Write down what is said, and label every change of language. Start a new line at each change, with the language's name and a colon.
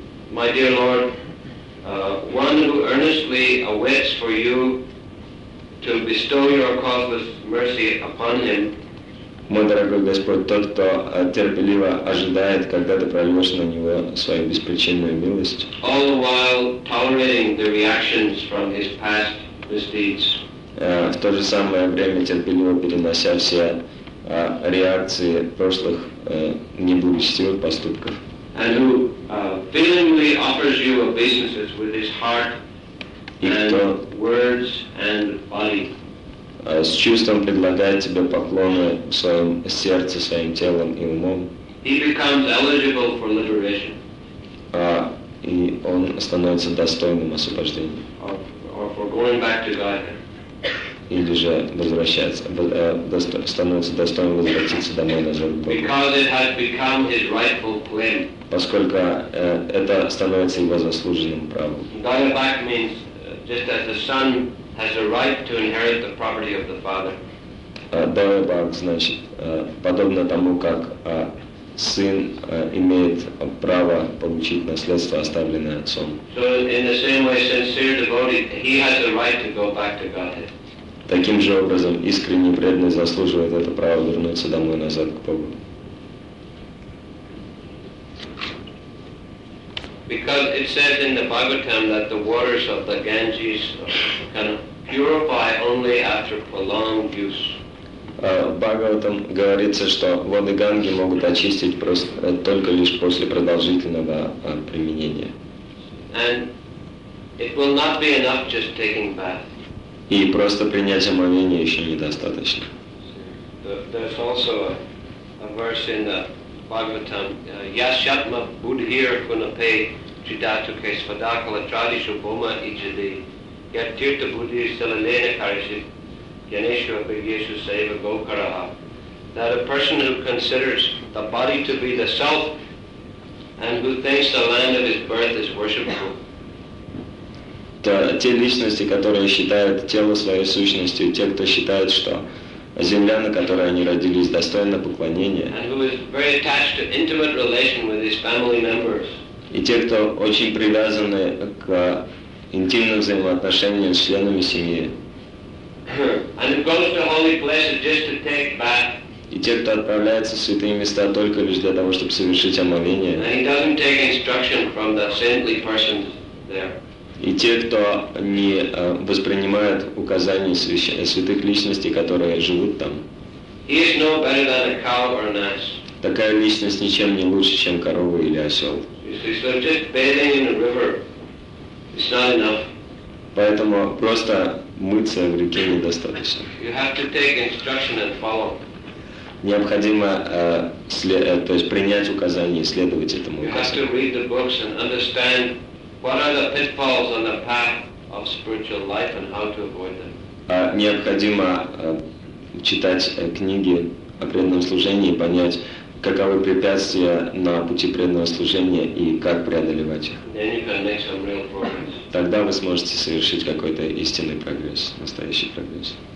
English: My dear Lord, one who earnestly awaits for you to bestow your causeless mercy upon him
Russian: Мой дорогой Господь, тот, кто терпеливо ожидает, когда ты прольешь на него свою беспричинную милость,
English: all the while tolerating the reactions from his past misdeeds,
Russian: в то же самое время терпеливо перенося все реакции прошлых неблагочестивых поступков,
English: and who willingly offers you obeisances with his heart and words and body,
Russian: с чувством предлагает тебе поклоны в своем сердце, своим телом и умом,
English: he becomes eligible for liberation.
Russian: И он становится достойным освобождения.
English: Or for going back to Godhead.
Russian: Или же возвращается, становится достойным возвратиться домой назад к Богу.
English: Because it has become his rightful claim.
Russian: Поскольку это становится его заслуженным правом.
English: Going back means just as the son has a right to inherit the property of the father.
Russian: Дайвабак, значит, подобно тому, как сын имеет право получить наследство, оставленное отцом.
English: So in the same way, sincere devotee, he has a right to go back to Godhead.
Russian: Таким же образом, искренний преданный заслуживает это право вернуться домой назад к Богу.
English: Because it says in the Bhagavatam that the waters of the Ganges can purify only after prolonged use.
Russian: Бхагаватам говорится, что воды Ганги могут очистить только лишь после продолжительного применения.
English: And it will not be enough just taking bath.
Russian: И просто принять омовение еще недостаточно.
Sanskrit: There's also a verse in the Bhagavatam, Yashatma Budhir Kunape Chidatuke Svadakala Tradishu Boma Ijadi Yat Tirta Budhir Salalena Karishit Yaneshu Abhigyeshu Saiva Gokaraha.
English: That a person who considers the body to be the self and who thinks the land of his birth is worshipful.
Russian: Те личности, которые считают тело своей сущностью, те, кто считает, что земля, на которой они родились, достойна поклонения,
English: and who is very attached to intimate relation with his family members,
Russian: и те, кто очень привязаны к интимным взаимоотношениям с членами семьи,
English: and who goes to holy places just to take bath,
Russian: и те, кто отправляется в святые места только лишь для того, чтобы совершить омовение,
English: and he doesn't take instruction from the saintly persons there,
Russian: и те, кто не воспринимает указания святых личностей, которые живут там,
English: he is no better than a cow or an ass.
Russian: Такая личность ничем не лучше, чем корова или осел.
English: So just bathing in a river is not enough.
Russian: Поэтому просто мыться в реке недостаточно.
English: You have to take instruction and follow.
Russian: Необходимо то есть принять указания и следовать этому указанию.
English: You have to read the books and understand what are the pitfalls on the path of spiritual life and how to avoid them?
Russian: Необходимо читать книги о преданном служении и понять, каковы препятствия на пути преданного служения и как преодолевать их.
English: Then you can make some real progress.
Russian: Тогда вы сможете совершить какой-то истинный прогресс, настоящий прогресс.